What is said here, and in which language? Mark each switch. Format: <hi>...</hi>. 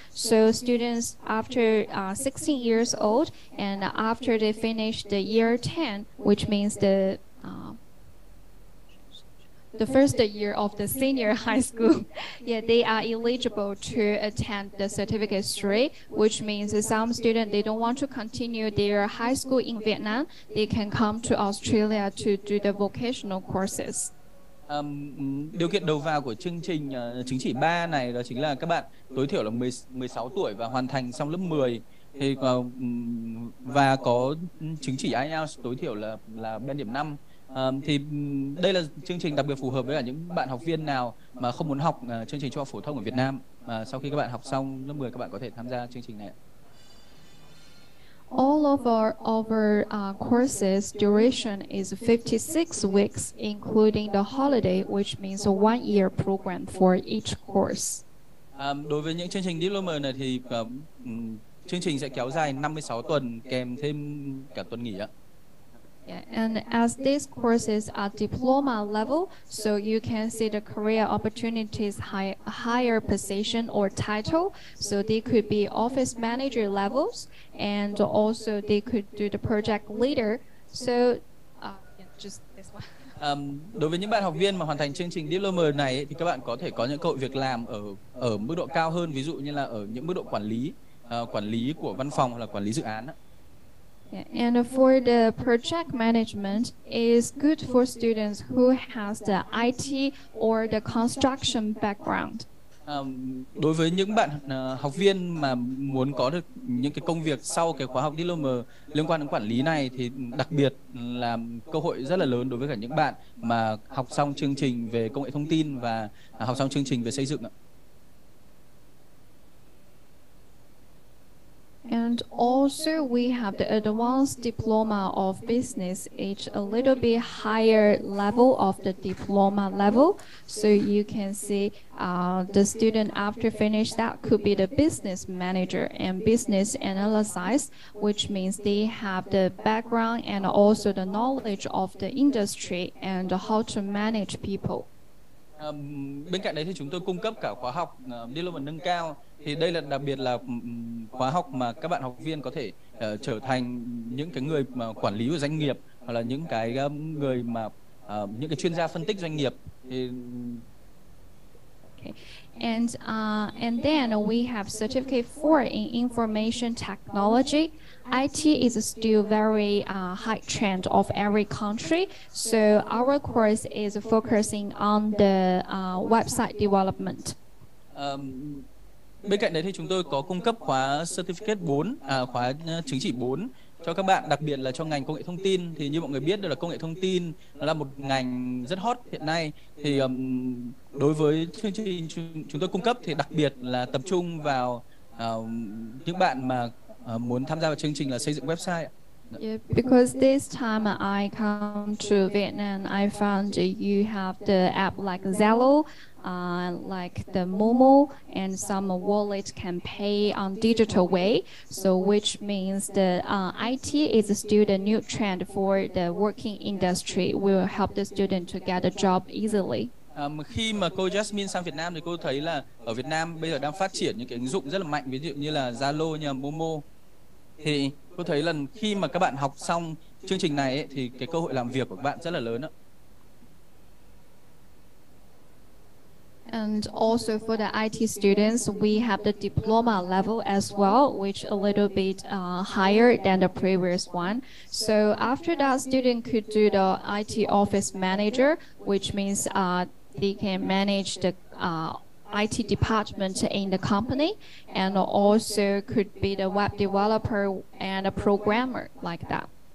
<en>So students after 16 years old and after they finish the year 10, which means the first year of the senior high school, yeah, they are eligible to attend the certificate 3, which means that some students, they don't want to continue their high school in Vietnam, they can come to Australia to do the vocational courses.</en> <vi>Điều kiện đầu vào của chương trình chứng chỉ 3 này đó chính là các bạn tối thiểu là 16 tuổi và hoàn thành xong lớp 10 thì và có chứng chỉ IELTS tối thiểu là bên điểm 5. Thì đây là chương trình đặc biệt phù hợp với cả những bạn học viên nào mà không muốn học chương trình trung học phổ thông ở Việt Nam, mà sau khi các bạn học xong lớp 10 các bạn có thể tham gia chương trình này.</vi> <en>All of our courses duration is 56 weeks including the holiday, which means a 1 year program for each course.</en> <vi>Đối với những chương trình diploma này thì chương trình sẽ kéo dài 56 tuần kèm thêm cả tuần nghỉ ạ.</vi> <en>Yeah, and as these courses are diploma level, so you can see the career opportunities higher position or title. So they could be office manager levels, and also they could do the project leader. So just this one.</en> <vi>Đối với những bạn học viên mà hoàn thành chương trình diploma này thì các bạn có thể có những cơ hội việc làm ở mức độ cao hơn, ví dụ như là ở những mức độ quản lý của văn phòng hoặc là quản lý dự án.</vi> <en>Yeah, and for the project management is good for students who has the IT or the construction background.</en> <vi>Đối với những bạn học viên mà muốn có được những cái công việc sau cái khóa học diploma liên quan đến quản lý này thì đặc biệt là cơ hội rất là lớn đối với cả những bạn mà học xong chương trình về công nghệ thông tin và học xong chương trình về xây dựng ạ.</vi> <en>And also we have the advanced diploma of business, it's a little bit higher level of the diploma level, so you can see the student after finish that could be the business manager and business analysis, which means they have the background and also the knowledge of the industry and how to manage people.</en> <vi>Bên cạnh đấy thì chúng tôi cung cấp cả khóa học diploma nâng cao. Thì đây là đặc biệt là khóa học mà các bạn học viên có thể trở thành những cái người mà quản lý của doanh nghiệp hoặc là những cái người mà những cái chuyên gia phân tích doanh nghiệp. Thì...</vi> <en>Okay. And then we have certificate 4 in information technology. IT is still very high trend of every country. So our course is focusing on the website development.</en> <vi>Bên cạnh đấy thì chúng tôi có cung cấp khóa certificate 4, khóa chứng chỉ 4 cho các bạn, đặc biệt là cho ngành công nghệ thông tin. Thì như mọi người biết được là công nghệ thông tin là một ngành rất hot hiện nay. Thì đối với chương trình chúng tôi cung cấp thì đặc biệt là tập trung vào những bạn mà muốn tham gia vào chương trình là xây dựng website.</vi> <en>Yeah, because this time I come to Vietnam, I found you have the app like Zalo, like the Momo, and some wallet can pay on digital way. So which means the IT is still the new trend for the working industry. Will help the student to get a job easily.</en> <vi>Khi mà cô Jasmine sang Việt Nam thì cô thấy là ở Việt Nam bây giờ đang phát triển những cái ứng dụng rất là mạnh, ví dụ như là Zalo, như là Momo. Thì cô thấy là khi mà các bạn học xong chương trình này ấy, thì cái cơ hội làm việc của các bạn rất là lớn ạ.</vi> <en>And also for the IT students, we have the diploma level as well, which a little bit higher than the previous one. So after that, student could do the IT office manager, which means they can manage the IT department in the company, and also could be the web developer and a programmer like that.</en>